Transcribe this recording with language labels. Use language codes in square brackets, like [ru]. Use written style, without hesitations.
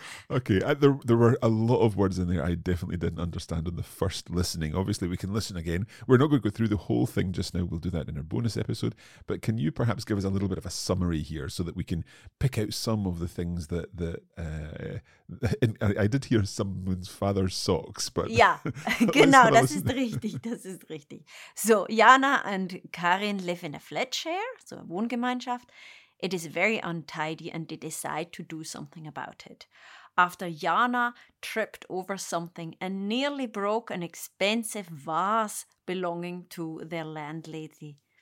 [en] Okay, there were a lot of words in there I definitely didn't understand on the first listening. Obviously, we can listen again. We're not going to go through the whole thing just now. We'll do that in our bonus episode. But can you perhaps give us a little bit of a summary here so that we can pick out some of the things that... I did hear someone's father's socks, but... Yeah, [de] genau, das ist richtig, das ist richtig. [en] So, Jana and Karin live in a flat share, so a Wohngemeinschaft. It is very untidy and they decide to do something about it. After Jana tripped over something and nearly broke an expensive vase belonging to their landlady.